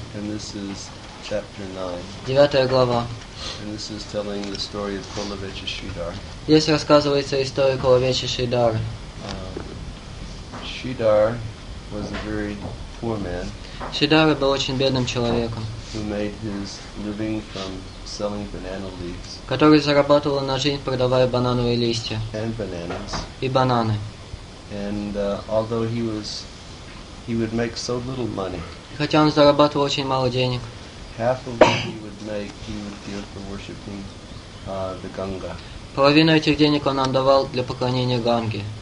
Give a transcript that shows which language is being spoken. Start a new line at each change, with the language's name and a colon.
English: And this is chapter 9.
Russian: Девятая глава.
English: And this is telling the story of Kulavecha Sridhar.
Russian: Здесь рассказывается история Кулавечи Шридхары.
English: Sridhar was a very poor man.
Russian: Шридхара был очень бедным человеком.
English: Who made his living from selling banana leaves?
Russian: Который зарабатывал на жизнь, продавая банановые листья.
English: And bananas.
Russian: И бананы.
English: And although he would make so little money.
Russian: Хотя он зарабатывал очень мало денег.
English: Half of what he would make, he would give for worshiping the Ganga.
Russian: Половину этих денег он отдавал для поклонения Ганге.